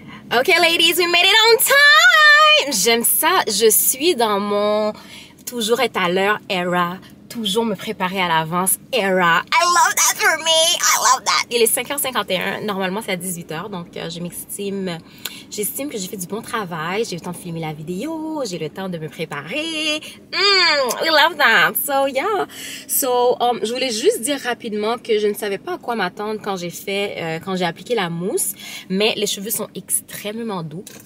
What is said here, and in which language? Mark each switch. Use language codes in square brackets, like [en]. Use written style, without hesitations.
[en] Ok, ladies, we made it on time! [fr] J'aime ça, je suis dans mon toujours être à l'heure era, toujours me préparer à l'avance era. [en] I love that for me, I love that! [fr] Il est 5h51, normalement c'est à 18h, donc je m'estime... J'estime que j'ai fait du bon travail, j'ai eu le temps de filmer la vidéo, j'ai eu le temps de me préparer. [en] We love that! So, yeah! [fr] So, je voulais juste dire rapidement que je ne savais pas à quoi m'attendre quand j'ai fait, quand j'ai appliqué la mousse, mais les cheveux sont extrêmement doux.